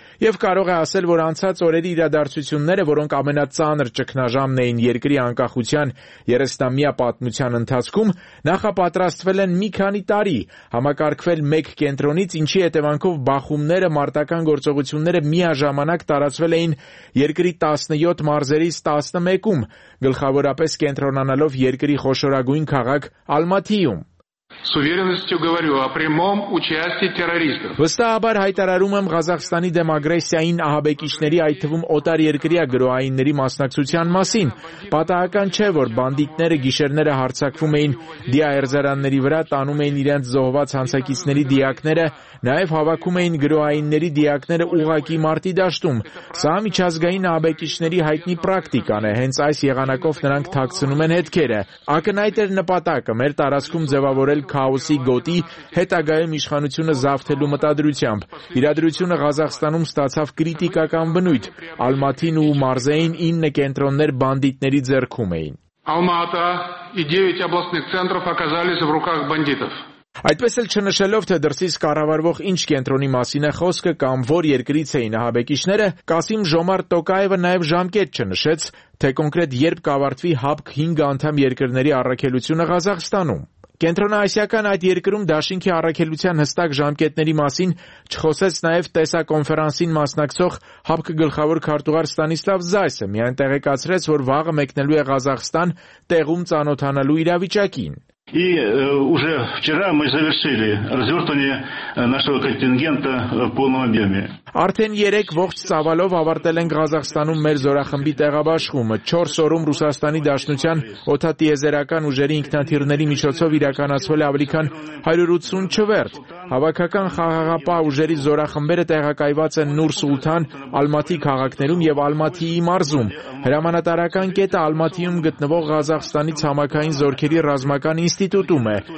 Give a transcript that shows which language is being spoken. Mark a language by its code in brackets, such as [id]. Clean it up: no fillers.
[hy] և կարող է ասել, որ անցած օրերի իրադարձությունները, որոնք ամենածանր ճգնաժամն էին երկրի անկախության 30-ամյա պատմության ընթացքում, նախապատրաստվել են մի քանի տարի, համակարգվել մեկ կենտրոնից, ինչի հետևանքով բախումները, մարտական գործողությունները միաժամանակ տարածվել էին երկրի 17 մարզերից 11-ում, գլխավորապես կենտրոնանալով երկրի խոշորագույն քաղաք Ալմատիում։ [ru] С уверенностью говорю о прямом участии террористов. [hy] Վստահաբար հայտարարում եմ Ղազախստանի դեմ ագրեսիային ահաբեկիչների, այդ թվում օտար երկրյա գրոհայինների մասնակցության մասին։ Պատահական չէ, որ բանդիտները գիշերները հարձակվում էին դիաերձարանների վրա, տանում էին իրենց զոհված հանցակիցների դիակները, նաև հավաքում էին գրոհայինների դիակները ուղակի մարտի դաշտում։ Սա միջազգային ահաբեկիչների հայտնի պրակտիկան է, հենց այս եղանակով նրանք թաքցնում են հետքերը։ Ակնհայտ էր նպատակը մեր տարածքում ձևավորել քաոսի գոտի հետագայում իշխանությունը զավթելու մտադրությամբ։ Իրադրությունը Ղազախստանում ստացավ կրիտիկական բնույթ։ Ալմատին ու մարզեին 9 կենտրոններ բանդիտների ձեռքում էին։ [ru] Алмата и 9 областных центров оказались в руках бандитов. [hy] Այդպես էլ չնշելով, թե դրսից կառավարվող ինչ կենտրոնի մասին է խոսքը կամ որ երկրից էին հաբեկիչները, Կասիմ Ժոմար Տոկաևը նաև ժամկետ չնշեց, թե կոնկրետ երբ կավարտվի ՀԱԲԿ 5 անդամ երկրների առաքելությունը Ղազախստանում։ Կենտրոնահայկական այդ երկրում Դաշինքի առաքելության հստակ ժամկետների մասին չխոսեց նաև տեսակոնֆերանսին մասնակցող ՀԱԲԿ գլխավոր քարտուղար Ստանիսլավ Զայսը, միայն տեղեկացրեց, որ վաղը մեկնելու է Ղազախստան տեղում ծանոթանալու իրավիճակին։ [ru] И уже вчера мы завершили развертывание нашего контингента в полном объеме. [hy] Արդեն 3 ողջ ծավալով ավարտել են Ղազախստանում մեր զորախմբի տեղաբաշխումը, 4 օրում Ռուսաստանի Դաշնության օթատիեզերական ուժերի ինքնաթիռների միջոցով իրականացվել ավելի քան 180 չվերթ։ Հավաքական խաղաղապահ ուժերի զորախմբերը տեղակայված են Նուրսուլթան, Ալմատի քաղաքներում եւ Ալմատիի մարզում։ Հրամանատարական կետը Ալմատիում գտնվող Ղազախստանի ցամաքային զորքերի ռազմական ինստիտուտում է։